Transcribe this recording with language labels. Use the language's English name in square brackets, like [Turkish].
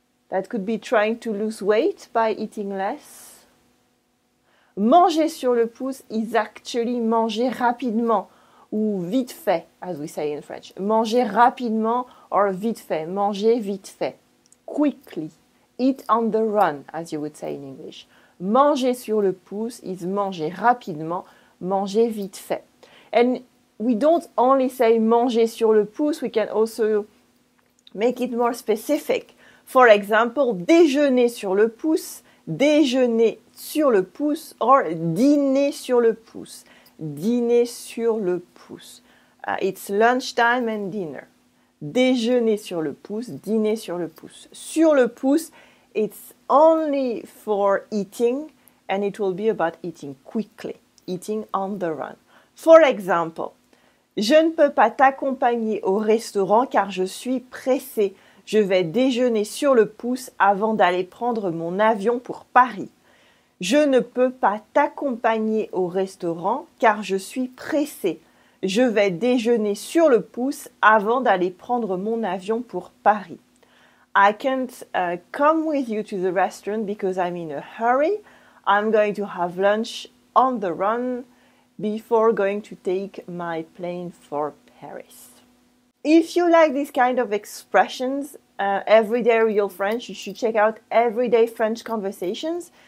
[English] That could be trying to lose weight by eating less. [French] Manger sur le pouce [English] is actually [French] manger rapidement ou vite fait, [English] as we say in French. [French] Manger rapidement or vite fait. Manger vite fait. Quickly. [English] Eat on the run, as you would say in English. [French] Manger sur le pouce is manger rapidement, manger vite fait. [English] And we don't only say [French] manger sur le pouce, [English] we can also make it more specific. For example, [French] déjeuner sur le pouce, déjeuner sur le pouce, or dîner sur le pouce, dîner sur le pouce. [English] It's lunchtime and dinner. [French] Déjeuner sur le pouce, dîner sur le pouce. Sur le pouce, [English] it's only for eating and it will be about eating quickly, eating on the run. For example, [French] je ne peux pas t'accompagner au restaurant car je suis pressée. Je vais déjeuner sur le pouce avant d'aller prendre mon avion pour Paris. Je ne peux pas t'accompagner au restaurant car je suis pressée. Je vais déjeuner sur le pouce avant d'aller prendre mon avion pour Paris. [English] I can't come with you to the restaurant because I'm in a hurry. I'm going to have lunch on the run before going to take my plane for Paris. If you like these kind of expressions, Everyday Real French, you should check out Everyday French Conversations.